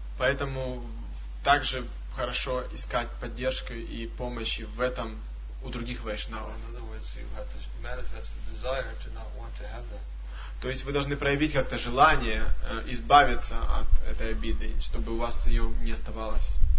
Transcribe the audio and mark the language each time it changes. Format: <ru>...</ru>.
<ru>Поэтому также хорошо искать поддержку и помощи в этом. У других вайшнавов.</ru> <en>In other words, you have to manifest the desire to not want to have that.</en> <ru>То есть вы должны проявить как-то желание избавиться от этой обиды, чтобы у вас ее не оставалось.</ru>